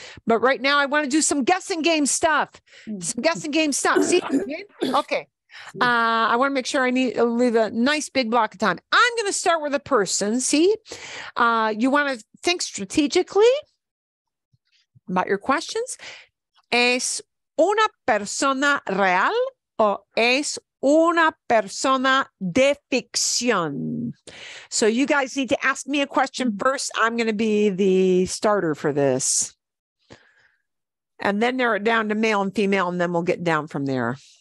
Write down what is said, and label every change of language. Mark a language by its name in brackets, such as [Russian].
[English] But right now I want to do some guessing game stuff. Some guessing game stuff. See? Okay. I want to make sure I need to leave a nice big block of time. I'm going to start with a person. See, you want to think strategically about your questions. [Spanish] ¿Es una persona real o es una persona de ficción? [English] So you guys need to ask me a question first. I'm going to be the starter for this. And then narrow it down to male and female, and then we'll get down from there.